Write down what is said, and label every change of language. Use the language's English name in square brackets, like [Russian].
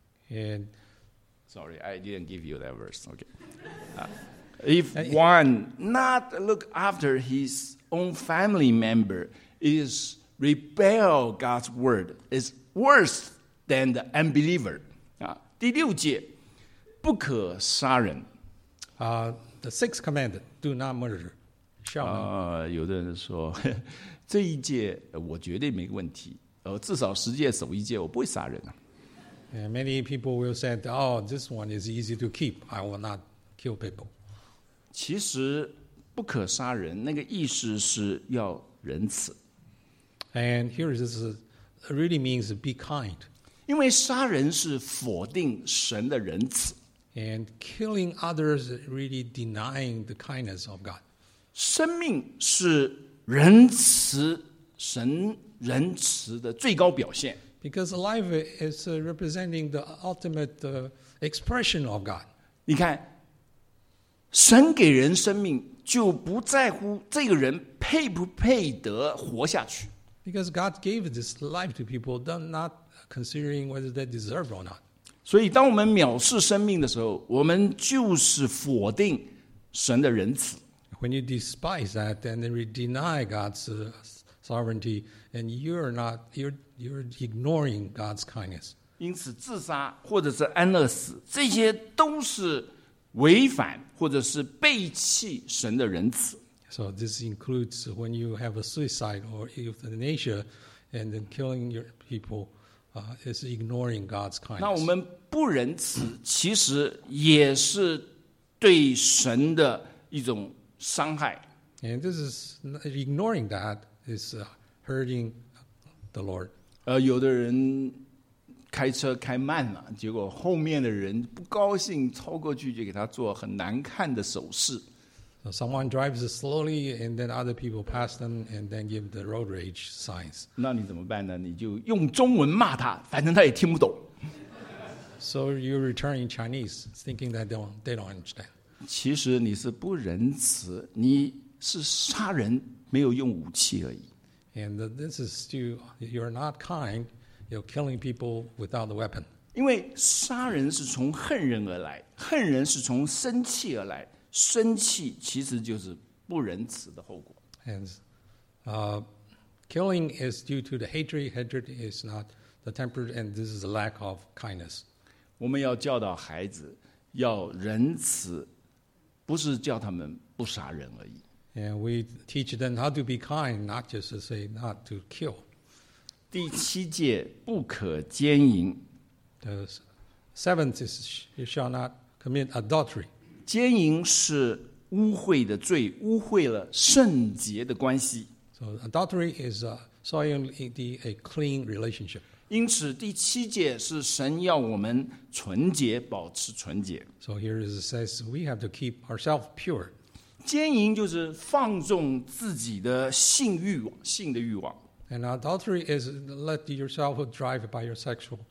[English] And sorry, I didn't give you that verse. Okay. If one not look after his own family member is rebel God's word is worse than the unbeliever. [Chinese] 第六节，不可杀人。 [English] The sixth commandment, do not murder. [Chinese] 有的人说，这一届我绝对没问题，至少十届守一届，我不会杀人啊。 [English] And many people will say, oh, this one is easy to keep. I will not kill people. [Chinese] 其实不可杀人，那个意思是要仁慈。 [English] And here is really means be kind. [Chinese] 因为杀人是否定神的仁慈。 [English] And killing others really denying the kindness of God. [Chinese] 生命是仁慈，神仁慈的最高表现。 [English] Because life is representing the ultimate expression of God. [Chinese] 你看，神给人生命，就不在乎这个人配不配得活下去。 [English] Because God gave this life to people, not considering whether they deserve or not. [Chinese] 所以，当我们藐视生命的时候，我们就是否定神的仁慈。 [English] When you despise that, then you deny God's sovereignty, and you're ignoring God's kindness. [Chinese] 因此，自杀或者是安乐死，这些都是违反或者是背弃神的仁慈。 [English] So this includes when you have a suicide or euthanasia, and then killing your people, is ignoring God's kindness. [Chinese] 那我们不仁慈，其实也是对神的一种伤害。 [English] And this is ignoring that is hurting the Lord. [Chinese] 有的人开车开慢了，结果后面的人不高兴，超过去就给他做很难看的手势。 [English] Someone drives slowly, and then other people pass them, and then give the road rage signs. [Chinese] 那你怎么办呢？你就用中文骂他，反正他也听不懂。 [English] So you return in Chinese, thinking that they don't understand. [Chinese] 其实你是不仁慈，你是杀人没有用武器而已。 [English] And this is still, you're not kind. You're killing people without a weapon. [Chinese] 因为杀人是从恨人而来，恨人是从生气而来。生气其实就是不仁慈的后果。 [English] And, killing is due to the hatred. Hatred is not the temper, and this is a lack of kindness. [Chinese] 我们要教导孩子要仁慈，不是叫他们不杀人而已。 [English] And we teach them how to be kind, not just to say not to kill. [Chinese] 第七戒不可奸淫。 [English] The seventh is you shall not commit adultery. [Chinese] 奸淫是污秽的罪，污秽了圣洁的关系。 [English] So adultery is soiling a clean relationship. [Chinese] 因此，第七戒是神要我们纯洁，保持纯洁。 [English] So here it says we have to keep ourselves pure. [Chinese] 奸淫就是放纵自己的性欲望，性的欲望。 [English] And adultery is let yourself drive by your sexual.